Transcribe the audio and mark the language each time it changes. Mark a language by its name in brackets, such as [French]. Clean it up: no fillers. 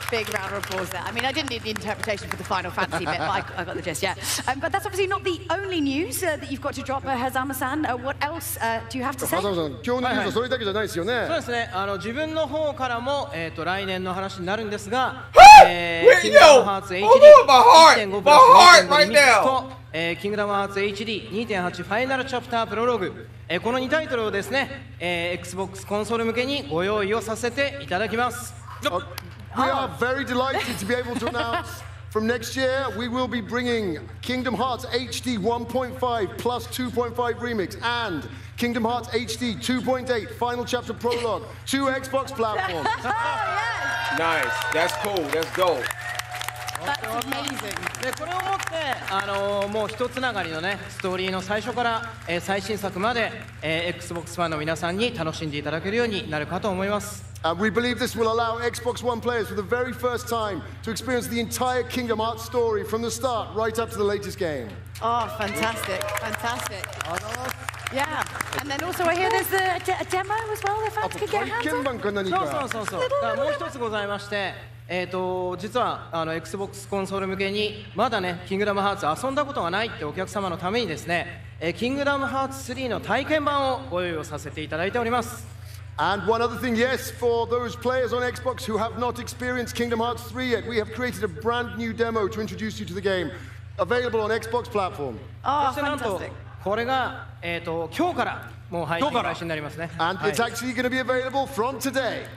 [English] Big round of applause there. I mean, I didn't need the interpretation for the Final Fantasy bit, but I got the gist, yeah. But that's obviously not the only news that you've got to drop, Hazama-san. What else do you have to say? [Japanese] Hazama-san, 今日の news はそれだけじゃないですよね。そうですね。自分の方からも、来年の話になるんですが、 [English] Wait, yo! Hold on, my heart right now! Kingdom Hearts HD 2.8 Final Chapter Prologue. [Japanese] この2タイトルをですね、Xbox コンソール向けにご用意をさせていただきます。 [English] We are very delighted to be able to announce from next year we will be bringing Kingdom Hearts HD 1.5 plus 2.5 Remix and Kingdom Hearts HD 2.8 Final Chapter Prologue to Xbox platforms. Nice, that's cool, let's go. That's amazing. [Japanese] でこれをもってもう一つながりのねストーリーの最初から最新作まで Xbox ファンの皆さんに楽しんでいただけるようになるかと思います。 [English] We believe this will allow Xbox One players for the very first time to experience the entire Kingdom Hearts story from the start right up to the latest game. Oh, fantastic. Yeah, and then also I hear there's a demo as well that fans can get hands on. [Japanese] 体験版か何か?そう。だからもう一つございまして、実は Xbox コンソール向けにまだね、キングダムハーツ遊んだことがないってお客様のためにですね、キングダムハーツ3の体験版をご用意をさせていただいております。 [English] And one other thing, yes, for those players on Xbox who have not experienced Kingdom Hearts 3 yet, we have created a brand new demo to introduce you to the game, available on Xbox platform. Oh, fantastic. [Japanese] これが、今日からもう配信開始になりますね。 [English] And it's actually going to be available from today.